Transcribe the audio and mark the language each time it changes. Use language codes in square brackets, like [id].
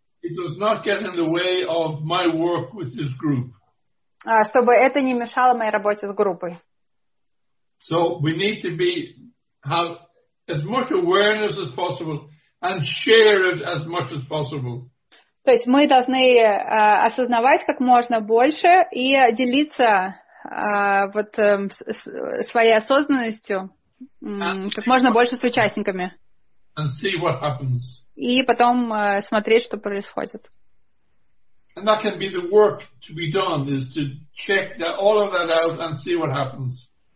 [en] It does not get in the way of my work with this group. [ru] Чтобы это не мешало моей работе с группой. [en] So we need to be have as much awareness as possible and share it as much as possible. [ru] То есть мы должны осознавать как можно больше и делиться вот своей осознанностью как можно больше с участниками. [en] And see what happens. [ru] И потом смотреть, что происходит. [en] And that can be the work to be done, is to check that, all of that out and see what happens.